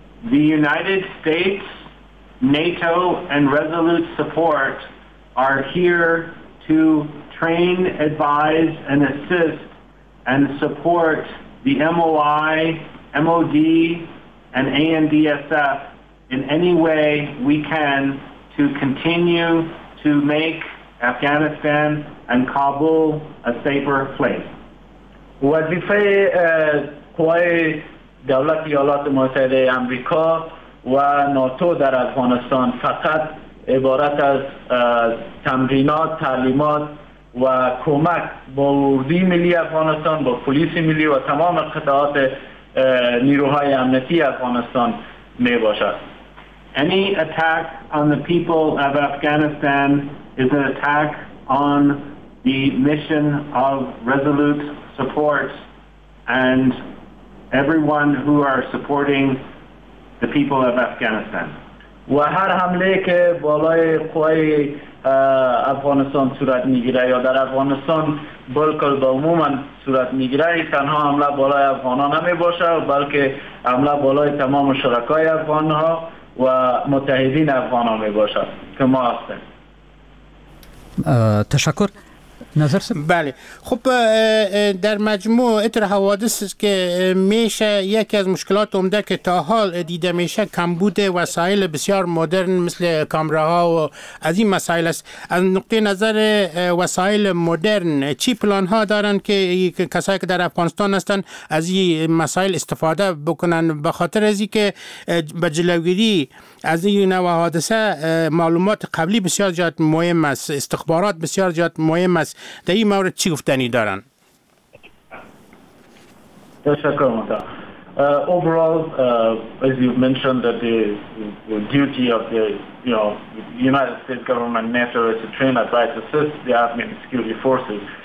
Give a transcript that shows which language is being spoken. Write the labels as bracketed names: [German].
[English] The United States, NATO and Resolute Support are here to train, advise, and assist and support the MOI, MOD, and ANDSF in any way we can to continue to make Afghanistan and Kabul a safer place. What we say, quite [Persian] دولت ایالات متحده آمریکا و ناتو در افغانستان فقط عبارت از تمرینات، تعلیمات و کمک با اردوی ملی افغانستان، با پلیس ملی و تمام قطعات نیروهای امنیتی افغانستان می باشد. [English] Any attack on the people of Afghanistan is an attack on the mission of resolute support and everyone who are supporting the people of Afghanistan. [Persian] و هر حمله که بالای قوای افغانستان صورت میگیره یا در افغانستان بلکل با عموما صورت میگیره تنها حمله بالای افغان ها نمی باشه بلکه حمله بالای تمام شرکای افغان ها و متحدین افغان ها می باشه که ما هستیم. تشکر. نظر سم؟ بله. خب در مجموع اتر حوادث که میشه یکی از مشکلات عمده که تا حال دیده میشه کمبود وسایل بسیار مدرن مثل کامراها و از این مسائل است. از نقطه نظر وسایل مدرن چی پلان ها دارن که کسایی که در افغانستان هستن از این مسائل استفاده بکنن بخاطر از این که به جلوگیری از این نوع حادثه معلومات قبلی بسیار زیاد مهم است، استخبارات بسیار زیاد مهم است. در این مورد چی گفتنی دارن؟ تشکر مطلب. [English] Overall, as you've mentioned, that the duty of the United States government, NATO, is to train, advise, assist the Afghan security forces.